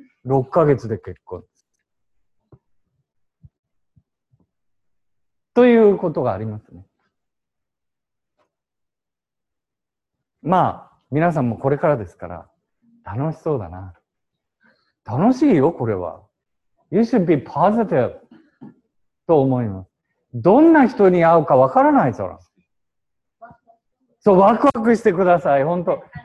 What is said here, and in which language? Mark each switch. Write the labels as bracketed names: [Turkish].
[Japanese] 6ヶ月で結婚。ということがありますね。まあ、皆さんもこれからですから楽しそうだな。楽しいよ、これは。 [English] You should be positive と思います。 [Japanese] どんな人に会うかわからないぞ。そう、ワクワクしてください、ほんと。